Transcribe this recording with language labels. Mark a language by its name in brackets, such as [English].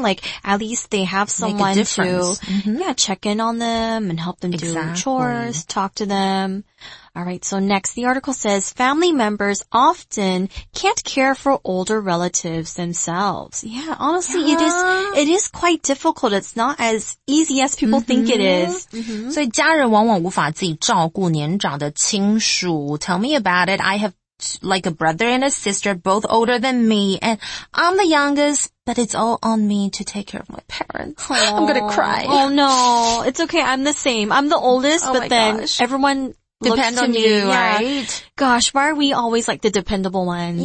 [English] Like, at least they have someone to check in on them and help them do chores, talk to them. All right, so next, the article says, family members often can't care for older relatives themselves. Yeah, honestly, it is quite difficult. It's not as easy as people think it is. Mm-hmm. [Chinese] 所以家人往往无法自己照顾年长的亲属. [English] Tell me about it. I have like a brother and a sister, both older than me, and I'm the youngest, but it's all on me to take care of my parents. Aww. I'm going to cry. Oh, no. It's okay. I'm the same. I'm the oldest, everyone... Depend on you, right? Gosh, why are we always like the dependable ones?